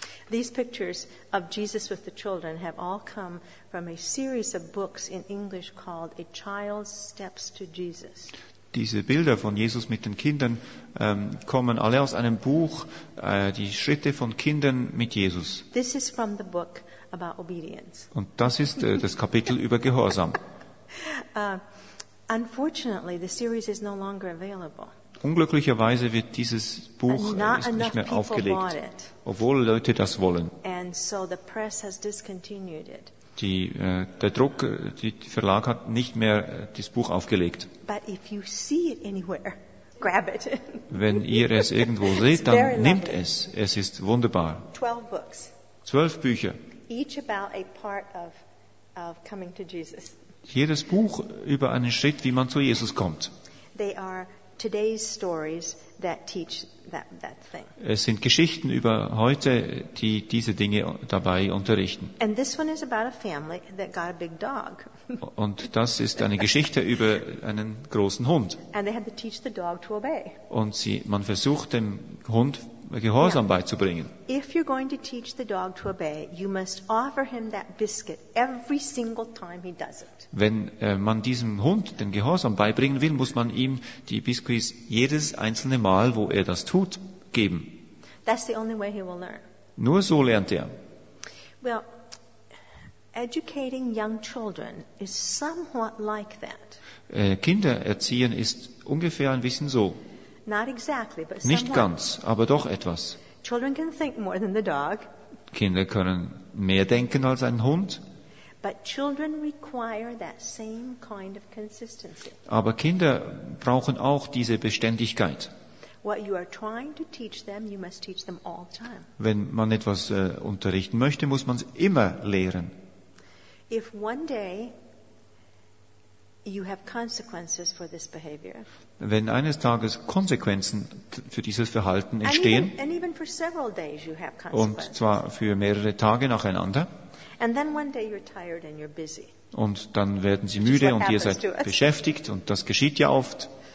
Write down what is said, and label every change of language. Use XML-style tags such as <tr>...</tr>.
<en>These pictures of Jesus with the children have all come from a series of books in English called A Child's Steps to Jesus.</en> <de>Diese Bilder von Jesus mit den Kindern kommen alle aus einem Buch, die Schritte von Kindern mit Jesus.</de> <en>This is from the book about obedience.</en> <de>Und das ist das Kapitel über Gehorsam.</de> <en>Unfortunately, the series is no longer available.</en> <de>Unglücklicherweise wird dieses Buch nicht mehr aufgelegt, obwohl Leute das wollen.</de> <en>And so the press has discontinued it.</en> <de>Der Verlag hat nicht mehr das Buch aufgelegt.</de> <en>But if you see it anywhere, grab it.</en> <de>Wenn ihr es irgendwo seht, dann nehmt es. Es ist wunderbar.</de> <en>12 books.</en> <de>12 Bücher.</de> <en>Each about a part of coming to Jesus.</en> <de>Jedes Buch über einen Schritt, wie man zu Jesus kommt.</de> <en>They are today's stories that teach that thing.</en> <de>Es sind Geschichten über heute, die diese Dinge dabei unterrichten.</de> <en>And this one is about a family that got a big dog.</en> <de>Und das ist eine Geschichte über einen großen Hund.</de> <en>And they had to teach the dog to obey.</en> <de>Und man versucht dem Hund Gehorsam beizubringen.</de> <en>If you're going to teach the dog to obey, you must offer him that biscuit every single time he does it.</en> <de>Wenn man diesem Hund den Gehorsam beibringen will, muss man ihm die Biscuits jedes einzelne Mal, wo er das tut, geben.</de> <en>That's the only way he will learn.</en> <de>Nur so lernt er.</de> <en>Well, educating young children is somewhat like that.</en> <de>Kinder erziehen ist ungefähr ein bisschen so.</de> <en>Not exactly, but</en> <de>nicht ganz, aber doch etwas.</de> <en>Children can think more than the dog.</en> <de>Kinder können mehr denken als ein Hund.</de> <en>But children require that same kind of consistency.</en> <de>Aber Kinder brauchen auch diese Beständigkeit.</de> <en>What you are trying to teach them, you must teach them all the time.</en> <de>Wenn man etwas unterrichten möchte, muss man es immer lehren.</de> <en>If one day you have consequences for this behavior.</en> <de>Wenn eines Tages Konsequenzen für dieses Verhalten entstehen,</de> <en>and even for several days you have consequences.</en> <de>Und zwar für mehrere Tage nacheinander,</de> <en>and then one day you're tired and you're busy.</en> <de>Und dann werden sie müde und ihr seid beschäftigt, und das geschieht ja oft,</de>